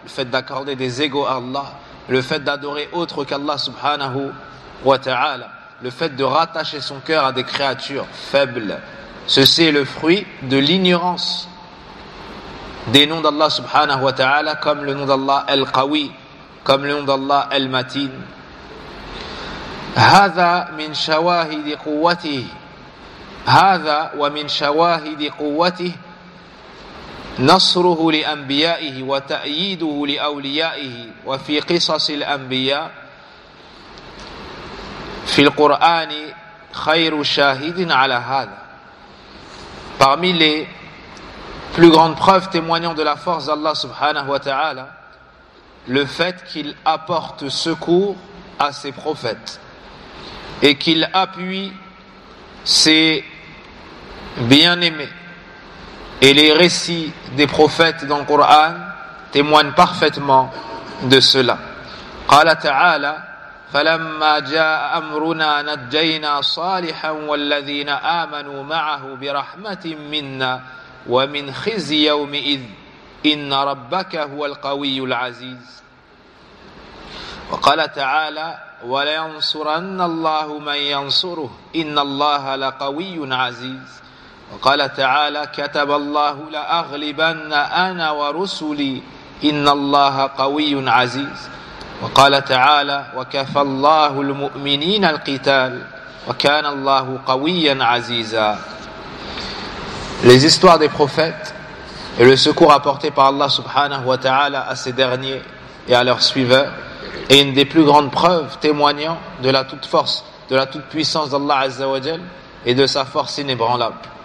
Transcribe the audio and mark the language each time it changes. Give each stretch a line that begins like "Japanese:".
French: Le fait d'accorder des égaux à Allah, le fait d'adorer autre qu'Allah subhanahu wa ta'ala, le fait de rattacher son cœur à des créatures faibles, ceci est le fruit de l'ignorance des noms d'Allah subhanahu wa ta'ala, comme le nom d'Allah Al-Qawi, comme le nom d'Allah Al-Matin.
Arabic: هذا من شواهد قوته هذا ومن شواهد قوته نصره لأنبيائه وتأييده لأوليائه وفي قصص الأنبياء في القرآن خير شاهد على هذا.
French: Parmi les plus grandes preuves témoignant de la force d'Allah subhanahu wa ta'ala, le fait qu'il apporte secours à ses prophètes et qu'il appuie ses bien-aimés. Et les récits des prophètes dans le Coran témoignent parfaitement de cela.
Arabic: قال تعالى فلما جاء أمرنا نجينا صالحا والذين آمنوا معه برحمة منا ومن خزي يومئذ إن ربك هو القوي العزيز. وقال تعالى ولينصرن الله من ينصره إن الله لقوي عزيز. وقال تعالى كتب الله لأغلبن أنا ورسلي إن الله قوي عزيز. وقال تعالى وكفى الله المؤمنين القتال وكان الله قويا عزيزا.
French: Les histoires des prophètes et le secours apporté par Allah subhanahu wa ta'ala à ces derniers et à leurs suiveurs est une des plus grandes preuves témoignant de la toute force, de la toute puissance d'Allah azza wa jal et de sa force inébranlable.